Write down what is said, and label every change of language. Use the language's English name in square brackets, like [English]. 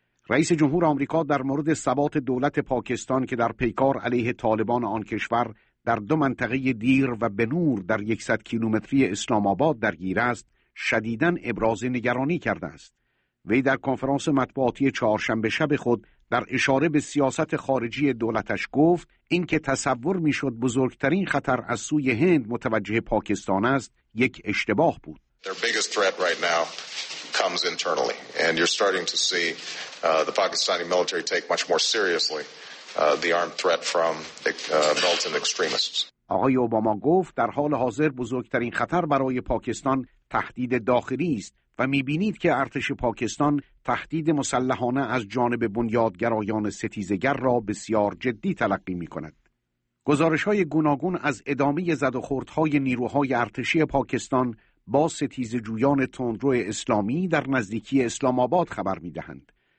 [Persian] رئیس جمهور آمریکا در مورد ثبات دولت پاکستان که در پیکار علیه طالبان آن کشور در دو منطقه دیر و بنور در 100 کیلومتری اسلام آباد درگیر است، شدیداً ابراز نگرانی کرده است. وی در کنفرانس مطبوعاتی چهارشنبه شب خود در اشاره به سیاست خارجی دولتش گفت اینکه تصور میشد بزرگترین خطر از سوی هند متوجه پاکستان است یک اشتباه بود. [English] Their biggest threat right now comes internally and you're starting to see the Pakistani military take much more seriously the armed threat from militant extremists. [Persian] آقای اوباما گفت در حال حاضر بزرگترین خطر برای پاکستان تهدید داخلی است و می‌بینید که ارتش پاکستان تهدید مسلحانه از جانب بنیادگرایان ستیزگر را بسیار جدی تلقی می‌کند. گزارش‌های گوناگون از ادامه زد و خوردهای نیروهای ارتشی پاکستان با ستیزجویان تندرو اسلامی در نزدیکی اسلام آباد خبر می‌دهند.